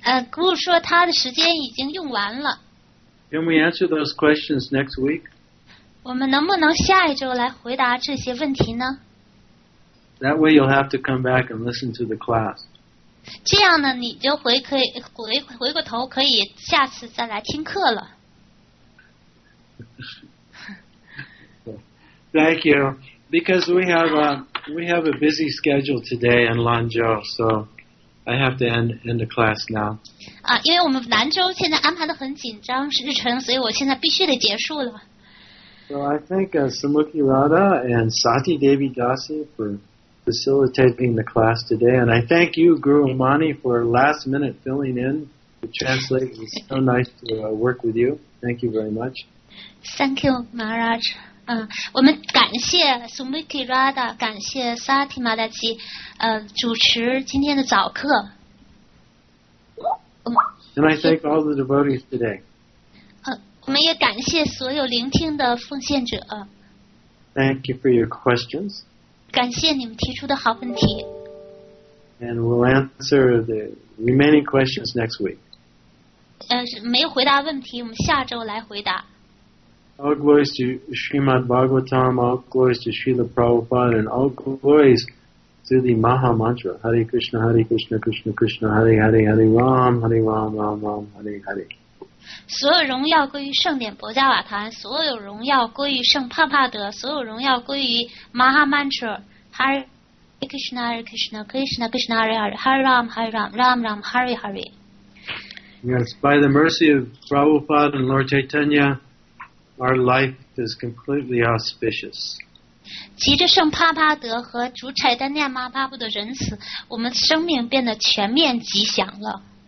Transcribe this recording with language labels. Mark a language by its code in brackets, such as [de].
[zh] 顾说他的时间已经用完了。 [en] Can we answer those questions next week? [zh] 我们能不能下一周来回答这些问题呢？ [en] That way you'll have to come back and listen to the class. [zh] 这样呢，你就回过头可以下次再来听课了。 [en] Thank you. Because we have a busy schedule today in Lanzhou, so I have to end the class now. [zh] 因为我们兰州现在安排得很紧张日程，所以我现在必须得结束了。 [en] So I thank Samukhi Radha and Sati Devi Dasi for... facilitating the class today, and I thank you, Guru Amani, for last minute filling in to translate. It was so nice to work with you. Thank you very much. Thank you, Maharaj. [zh] 我们感谢 Sumiki Radha, 感谢 Sati Madaji, 主持今天的早课。 [en] And I thank all the devotees today. [zh] 我们也感谢所有聆听的奉献者。 [en] Thank you for your questions. [zh] 感谢你们提出的好问题。 [en] And we'll answer the remaining questions next week. [zh] 没有回答问题，我们下周来回答。 [en] All glories to Srimad Bhagavatam, all glories to Srila Prabhupada, and all glories to the Maha Mantra. [sa] Hare Krishna, Hare Krishna, Krishna Krishna, Hare Hare, Hare Ram, Hare Ram, Ram Ram, Hare Hare. [zh] 所有荣耀归于圣典博迦瓦坛，所有荣耀归于圣帕帕德，所有荣耀归于 Maha Mantra [sa] Hare Krishna Hare Krishna Krishna Krishna Hare Hare Hare Ram Hare Ram Ram Ram Hare Hare. [en] Yes, by the mercy of Prabhupada and Lord Chaitanya, our life is completely auspicious. [zh] 藉着圣帕帕德和主柴丹尼亚马帕布的仁慈，我们生命变得全面吉祥了。